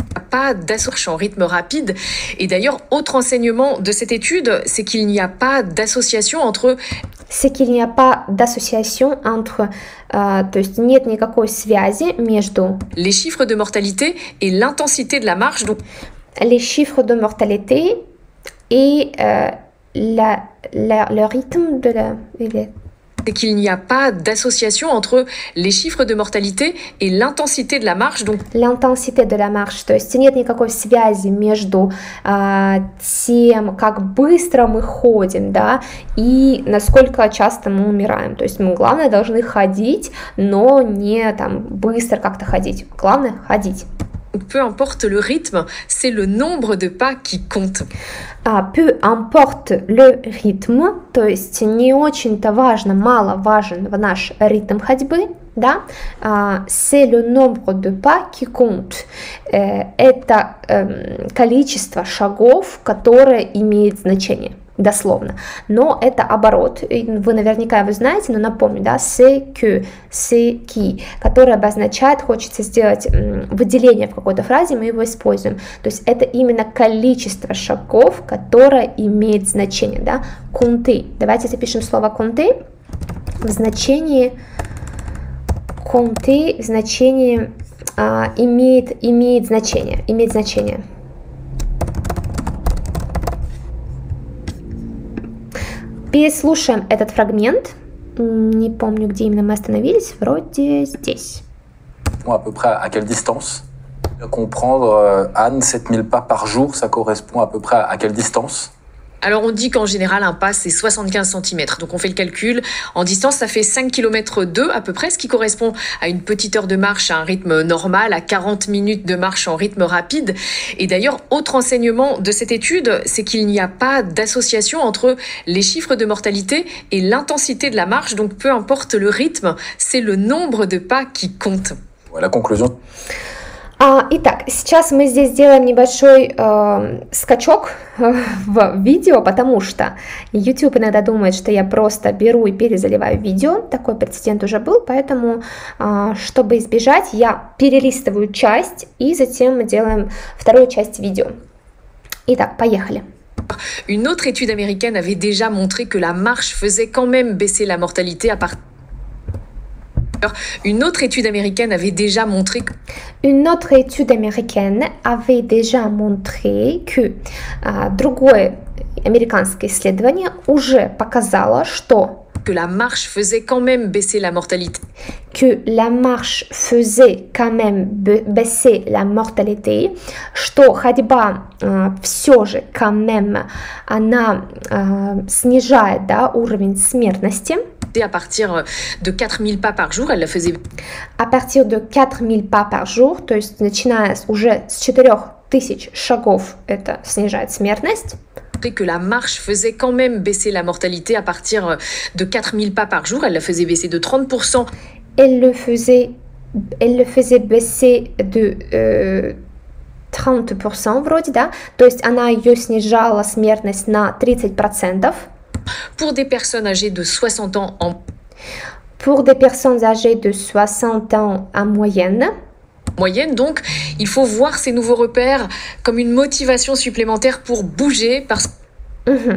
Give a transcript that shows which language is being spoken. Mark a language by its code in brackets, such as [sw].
[fr] Pas d'association en rythme rapide. Et d'ailleurs, autre enseignement de cette étude, c'est qu'il n'y a pas d'association entre... C'est qu'il n'y a pas d'association entre... [ru] То есть нет никакой связи между... [fr] Les chiffres de mortalité et l'intensité de la marche. Donc... Les chiffres de mortalité et le rythme de la... C'est qu'il n'y a pas d'association entre les chiffres de mortalité et l'intensité de la marche. Donc l'intensité de la marche. [ru] То есть нет никакой связи между тем, как быстро мы ходим, да, и насколько часто мы умираем. То есть мы главное должны ходить, но не там быстро как-то ходить. Главное ходить. [fr] Peu importe le rythme, c'est le nombre de pas qui compte. Peu importe le rythme, [ru] то есть не очень-то важно, мало важен наш ритм ходьбы, да? [fr] C'est le nombre de pas qui compte. [ru] Это количество шагов, которое имеет значение, дословно. Но это оборот, вы наверняка его знаете, но напомню, да, [fr] c'est que, [ru] которое обозначает, хочется сделать выделение в какой-то фразе, мы его используем. То есть это именно количество шагов, которое имеет значение, да, compter. Давайте запишем слово compter в значении, compter в значении имеет значение. Переслушаем этот фрагмент. Не помню, где именно мы остановились. Вроде здесь. [fr] À peu près à quelle distance? Comprendre, Anne, 7000 pas par jour, ça correspond à peu près à quelle distance? Alors, on dit qu'en général, un pas, c'est 75 cm. Donc, on fait le calcul. En distance, ça fait 5 km 2 à peu près, ce qui correspond à une petite heure de marche à un rythme normal, à 40 minutes de marche en rythme rapide. Et d'ailleurs, autre enseignement de cette étude, c'est qu'il n'y a pas d'association entre les chiffres de mortalité et l'intensité de la marche. Donc, peu importe le rythme, c'est le nombre de pas qui compte. Voilà, conclusion. [ru] Итак, сейчас мы здесь сделаем небольшой скачок в видео, потому что YouTube иногда думает, что я просто беру и перезаливаю видео. Такой прецедент уже был, поэтому, чтобы избежать, я перелистываю часть и затем мы делаем вторую часть видео. Итак, поехали. [fr] Une autre étude américaine avait déjà montré que la marche faisait quand même baisser la mortalité à partir... Une autre étude américaine avait déjà montré que... Une autre étude américaine avait déjà montré que... [ru] другое американское исследование уже показало, что... [fr] Que la marche faisait quand même baisser la mortalité. Que la marche faisait quand même baisser la mortalité. [ru] Что ходьба все же, [fr] quand même, [ru] она снижает, да, уровень смертности. [fr] À partir de 4000 pas par jour, elle la faisait. À partir de 4000 pas par jour, [ru] то есть начиная уже с 4000 шагов, это снижает смертность. [fr] Que la marche faisait quand même baisser la mortalité à partir de 4000 pas par jour, elle la faisait baisser de 30%. Elle le faisait Elle le faisait baisser de 30%, [ru] вроде, да? То есть она ее снижала смертность на 30%. [fr] Pour des personnes âgées de 60 ans en Pour des personnes âgées de 60 ans en moyenne. moyenne, donc il faut voir ces nouveaux repères comme une motivation supplémentaire pour bouger parce que